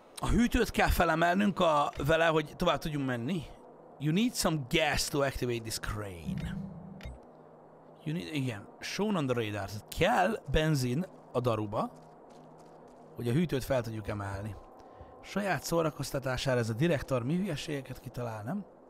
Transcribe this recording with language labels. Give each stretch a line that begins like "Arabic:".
Hungarian: Hűtőt kell felemelnünk a vele, hogy tovább tudjunk menni.
English: You need some gas to activate this crane. You need, igen, shown on the radar.
Hungarian: Kell benzin a daruba, hogy a hűtőt fel tudjuk emelni. Saját szórakoztatására ez a direktor mi hülyeségeket kitalál, nem?